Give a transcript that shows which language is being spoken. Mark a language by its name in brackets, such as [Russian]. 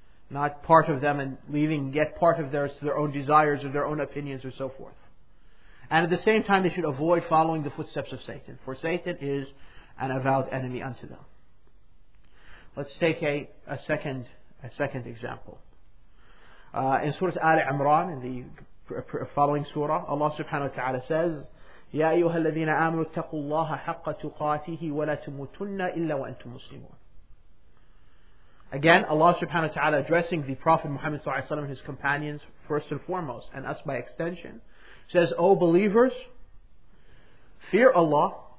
[English] Not part of them and leaving yet part of theirs to their own desires or their own opinions or so forth. And at the same time, they should avoid following the footsteps of Satan. For Satan is an avowed enemy unto them. Let's take a second example. In Surah Al-Imran, in the following surah, Allah subhanahu wa ta'ala says, [Arabic] يا أيها الذين آمنوا اتقوا الله حق تقاته ولا تموتن إلا وأنتم مسلمون. [English] Again, Allah subhanahu wa ta'ala addressing the Prophet Muhammad sallallahu alaihi wasallam and his companions first and foremost, and us by extension, says, "O believers, fear Allah."